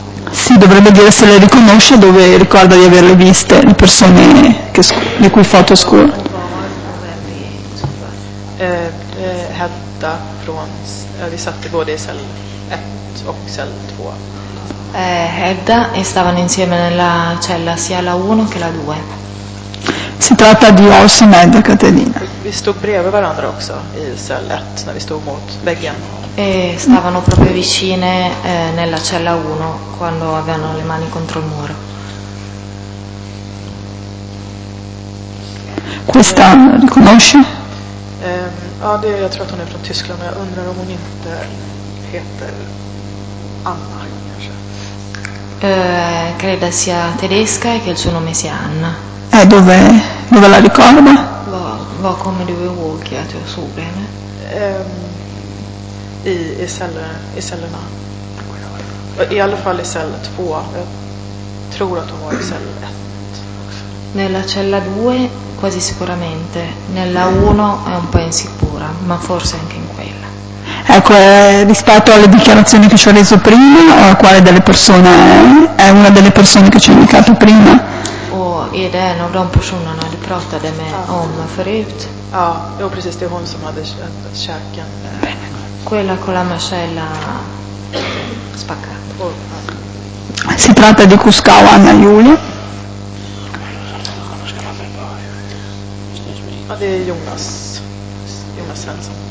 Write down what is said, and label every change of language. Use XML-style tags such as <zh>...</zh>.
<it>Sì, dovrebbe dire se le riconosce, dove ricorda di averle viste le persone che di cui foto scura.</it> <sv>Hedda från, vi satte både i cell 1 och cell 2.</sv> <it>Hedda e stavano insieme nella cella sia la 1 che la 2. Si tratta di Orson Ed e Caterina.</it> <sv>Vi stod bredvid varandra också i cell 1 när vi stod mot väggen.</sv> <it>E stavano proprio vicine nella cella 1 quando avevano le mani contro il muro. Questa riconosce?</it> <sv>Ja, det, jag tror att hon är från Tyskland, men jag undrar om hon inte heter Anna kanske.</sv> <it>Creda sia tedesca e che il suo nome sia Anna. Dove la ricorda?</it> <sv>Vad kommer du ihåg att jag såg henne? I cellerna. I alla fall i cell 2. Jag tror att hon var i cell 1 också.</sv> <it>Nella cella 2 quasi sicuramente. Nella 1 è un po' insicura, ma forse anche in quella. Ecco, rispetto alle dichiarazioni che ci ho reso prima, quale delle persone è una delle persone che ci ha indicato prima?</it> <sv>Är det en av de personerna du pratade med om förut? Ja, det var precis, det var hon som hade käken.</sv> <it>Quella con la mascella spaccata. Si tratta di Cuscao Anna Julia.</it> <sv>Ja, det är Jonas Svensson.</sv>